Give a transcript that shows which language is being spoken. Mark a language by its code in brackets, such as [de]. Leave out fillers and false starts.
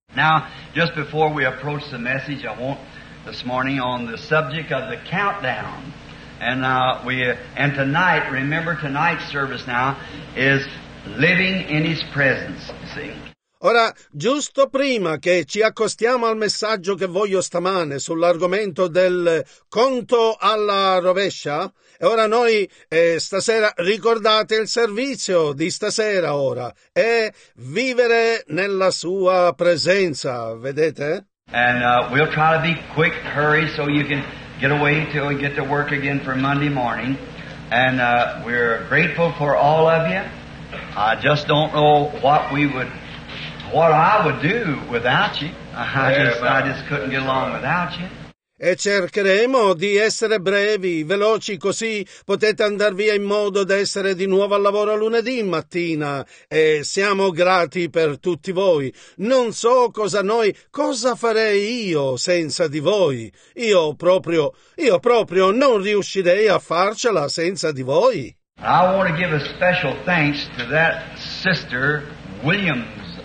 [en] Now, just before we approach the message I want this morning on the subject of the countdown. And tonight, remember tonight's service now, is living in His presence, you see. [it] Ora, giusto prima che ci accostiamo al messaggio che voglio stamane sull'argomento del conto alla rovescia, e ora noi stasera ricordate il servizio di stasera ora, è vivere nella sua presenza, vedete? [en] And we'll try to be quick, hurry, so you can get away until we get to work again for Monday morning. And we're grateful for all of you. I just don't know what I would do without you. I just couldn't get along without you. [it] E cercheremo di essere brevi, veloci, così potete andar via in modo da essere di nuovo al lavoro lunedì mattina. E siamo grati per tutti voi. Non so cosa farei io senza di voi. Io proprio non riuscirei a farcela senza di voi. [en] I want to give a special thanks to that sister Williams.